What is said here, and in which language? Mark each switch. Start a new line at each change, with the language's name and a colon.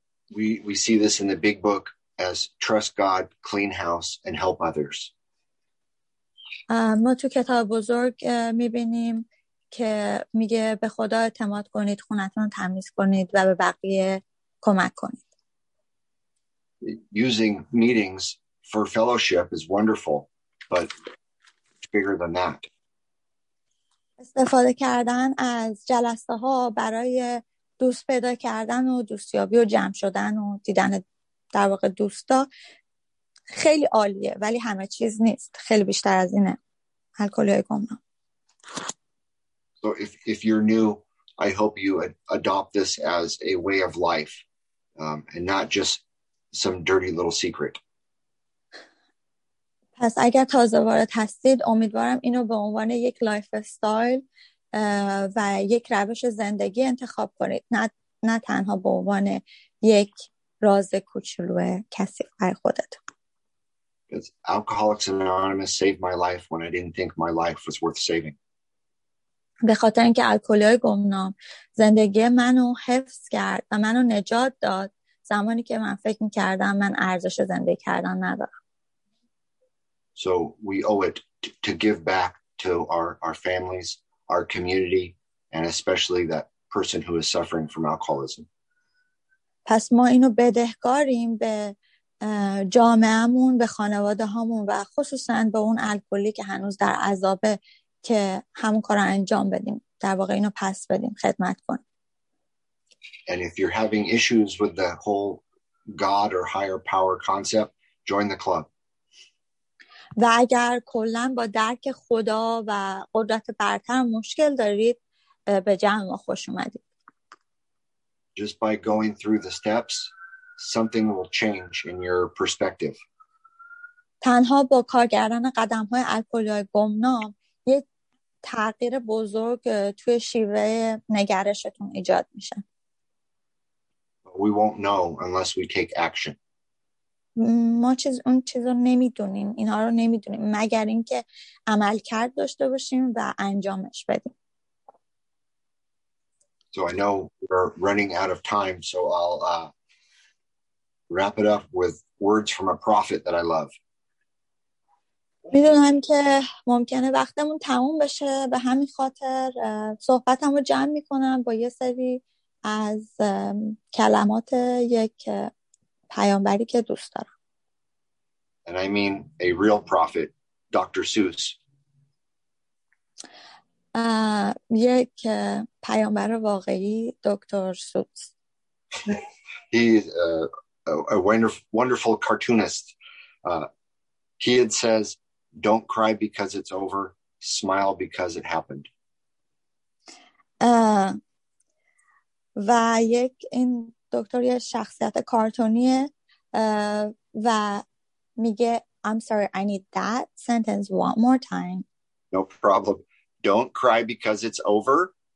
English: We see this in the big book as trust God, clean house, and help others.
Persian: ما تو کتاب بزرگ میبینیم که میگه به خدا اعتماد کنید، خونتون تمیز کنید و به بقیه کمک کنید.
English: Using meetings for fellowship is wonderful, but it's bigger than that.
Persian: استفاده کردن از جلسه ها برای دوست پیدا کردن و دوستیابی و جمع شدن و دیدن در واقع دوستا خیلی عالیه، ولی همه چیز نیست، خیلی بیشتر از اینه. الکلی‌های گمنام.
English: So if you're new, I hope you adopt this as a way of life and not just some dirty little secret.
Persian: پس اگر تازه وارد هستید امیدوارم اینو به عنوان یک لایف استایل و یک روش زندگی انتخاب کنید، نه تنها به عنوان یک راز کوچولو کسی برای خودت.
English: Because Alcoholics Anonymous saved my life when I didn't think my life was worth saving.
Persian: به خاطر اینکه الکلی‌های گمنام زندگی منو حفظ کرد و منو نجات داد زمانی که من فکر می‌کردم من ارزش زندگی کردن ندارم.
English: So we owe it to give back to our families, our community, and especially that person who is suffering from alcoholism.
Persian: پس ما اینو بدهکاریم به جامعهمون، به خانواده هامون و خصوصا به اون الکلی که هنوز در عذابه که همون کار رو انجام بدیم، در واقع اینو پس بدیم، خدمت کنیم.
English: And if you're having issues with the whole God or higher power concept, join the club.
Persian: و اگر کلن با درک خدا و قدرت برتر مشکل دارید به جمع خوش اومدید.
English: Just by going through the steps, something will change in your perspective.
Persian: تنها با کار کردن قدم‌های الکلی‌های گمنام یه تغییر بزرگ توی شیوه نگرشتون ایجاد میشه.
English: We won't know unless we take action.
Persian: ما اون چیز رو نمیدونیم، اینا رو نمیدونیم مگر اینکه عمل کرد داشته باشیم و انجامش بدیم.
English: So I know we're running out of time, so I'll wrap it up with words from a prophet that I love.
Persian: میدونم که ممکنه وقتمون تموم بشه، به همین خاطر صحبتمو جمع میکنم با یه سری از کلمات یک پیامبری که دوست دارم.
English: And I mean a real prophet, Dr. Seuss.
Persian: یک پیامبر واقعی، دکتر سوس.
English: He's a wonderful cartoonist. Kid says, "Don't cry because it's over. Smile because it happened."
Persian: و یک این دکتر یه شخصیت کارتونیه و میگه
English: I'm sorry, I need that sentence one more time. No problem. Don't cry because it's over.